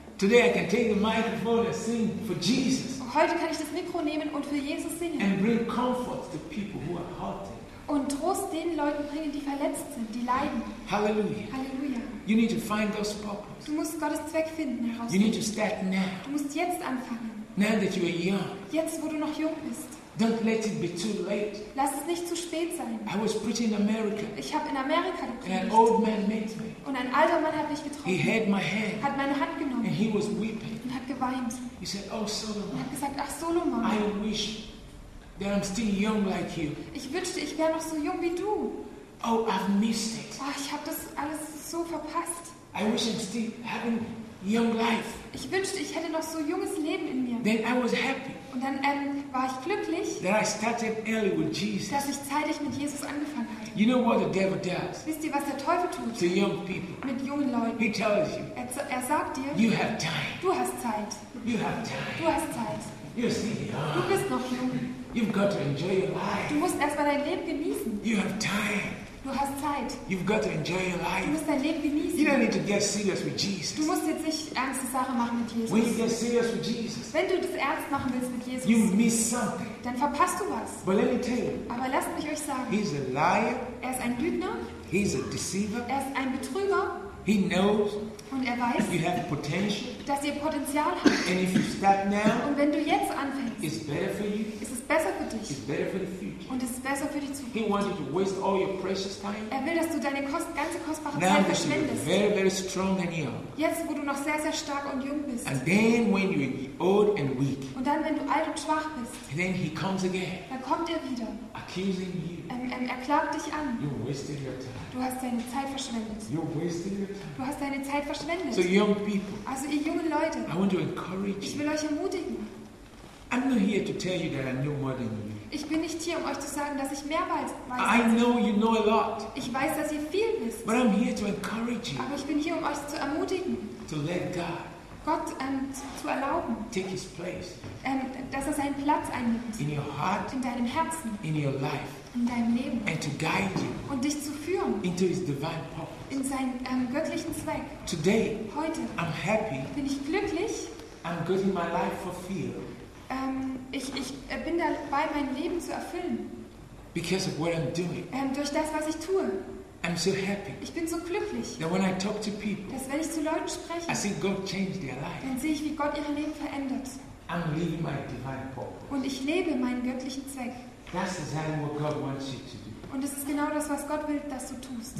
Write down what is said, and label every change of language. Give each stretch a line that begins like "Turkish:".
English: Today I can take the microphone and sing for Jesus.
German: Heute kann ich das Mikro nehmen und für Jesus singen.
English: And bring comfort to people who are hurting.
German: Und Trost den Leuten bringen, die verletzt sind, die leiden. Hallelujah. Hallelujah.
English: You need to find God's purpose.
German: Du musst Gottes Zweck finden, herausfinden.
English: You need to start now.
German: Du musst jetzt anfangen.
English: Now that you are young.
German: Jetzt, wo du noch jung bist.
English: Don't let it be too late.
German: Lass es nicht zu spät sein.
English: I was preaching in America.
German: Ich habe in Amerika gepredigt.
English: An old man met me.
German: Und ein alter Mann hat mich getroffen.
English: He had my hand.
German: Hat meine Hand genommen.
English: And he was weeping.
German: Und hat geweint.
English: He said, "Oh, Solomon."
German: Und hat gesagt, ach Solomon.
English: I wish that I'm still young like you.
German: Ich wünschte, ich wäre noch so jung wie du.
English: Oh, I've missed it.
German: Oh, ich habe das alles so verpasst.
English: I wish I'm still having young life.
German: Ich wünschte, ich hätte noch so junges Leben in mir.
English: Then I was happy.
German: Und dann war ich glücklich,
English: that I started early with Jesus.
German: Dass ich zeitig mit Jesus angefangen habe.
English: You know what the devil does?
German: Wisst ihr, was der Teufel tut?
English: To young people.
German: Mit jungen Leuten.
English: He tells you.
German: Er sagt dir.
English: You have time.
German: Du hast Zeit.
English: You have time.
German: Du hast Zeit.
English: You're still young.
German: Du bist noch jung.
English: You've got to enjoy your life.
German: Du musst erstmal dein Leben genießen.
English: You have time.
German: Du hast Zeit.
English: You've got to enjoy your life.
German: Du musst dein Leben genießen.
English: You don't need to get serious with Jesus.
German: Du musst jetzt nicht ernste Sache machen mit Jesus.
English: When you get serious with Jesus.
German: Wenn du das ernst machen willst mit Jesus.
English: You miss something.
German: Dann verpasst du was.
English: But let me tell you.
German: Aber lasst mich euch sagen.
English: He's a liar.
German: Er ist ein Lügner.
English: He's a deceiver.
German: Er ist ein Betrüger.
English: He knows.
German: Und er weiß.
English: You have potential.
German: Dass ihr Potenzial habt.
English: And if you start now.
German: Und wenn du jetzt anfängst.
English: It's better for you.
German: Besser für dich.
English: It's better for the future.
German: Und es ist besser für die Zukunft.
English: He wants you to waste all your precious time.
German: Er will, dass du deine ganze kostbare Zeit verschwendest.
English: Now, very, very strong and young.
German: Jetzt, wo du noch sehr, sehr stark und jung bist.
English: And then, when you are old and weak.
German: Und dann, wenn du alt und schwach bist.
English: And then he comes again.
German: Dann kommt er wieder.
English: Accusing you.
German: Er klagt dich an.
English: You wasted your time.
German: Du hast deine Zeit verschwendet.
English: You wasted your time.
German: Du hast deine Zeit verschwendet.
English: So young people.
German: Also ihr jungen Leute.
English: I want to encourage you.
German: Ich will euch ermutigen.
English: I'm not here to tell you that I know more than you.
German: Ich bin nicht hier, um euch zu sagen, dass ich mehr weiß.
English: I know you know a lot.
German: Ich weiß, dass ihr viel wisst.
English: But I'm here to encourage you.
German: Aber ich bin hier, um euch zu ermutigen.
English: To let God.
German: Gott zu erlauben.
English: Take his place.
German: Dass er seinen Platz einnimmt.
English: In your heart.
German: In deinem Herzen.
English: In your life.
German: In deinem Leben.
English: And to guide you.
German: Und dich zu führen.
English: Into his divine purpose.
German: In seinen göttlichen Zweck.
English: Today.
German: Heute.
English: I'm happy.
German: Bin ich glücklich.
English: I'm getting my life fulfilled.
German: Ich bin dabei, mein Leben zu erfüllen.
English: Because of what I'm doing.
German: Durch das, was ich tue.
English: I'm so happy.
German: Ich bin so glücklich.
English: That when I talk to people,
German: dass wenn ich zu Leuten spreche,
English: I see God change their life.
German: Dann sehe ich, wie Gott ihre Leben verändert.
English: I'm living my divine purpose.
German: Und ich lebe meinen göttlichen Zweck.
English: That's exactly what God wants you to do.
German: Und es ist genau das, was Gott will, dass du tust.